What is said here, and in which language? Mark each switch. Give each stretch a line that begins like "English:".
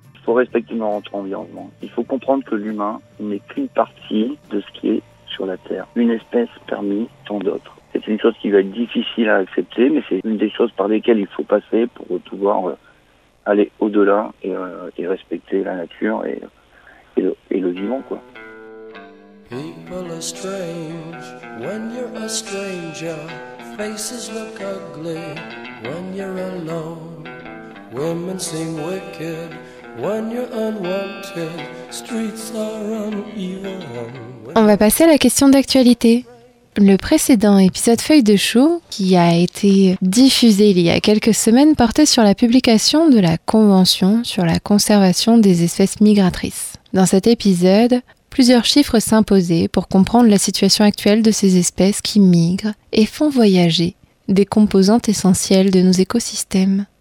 French: Il faut respecter notre environnement. Il faut comprendre que l'humain n'est qu'une partie de ce qui est sur la Terre. Une espèce parmi tant d'autres. C'est une chose qui va être difficile à accepter, mais c'est une des choses par lesquelles il faut passer pour pouvoir aller au-delà et respecter la nature et le vivant, quoi.
English: People are strange when you're a stranger. Faces look ugly when you're alone. Women seem wicked when you're unwanted. Streets are uneven.
French: On va passer à la question d'actualité. Le précédent épisode Feuille de Chou, qui a été diffusé il y a quelques semaines, portait sur la publication de la Convention sur la conservation des espèces migratrices. Dans cet épisode, plusieurs chiffres s'imposaient pour comprendre la situation actuelle de ces espèces qui migrent et font voyager des composantes essentielles de nos écosystèmes.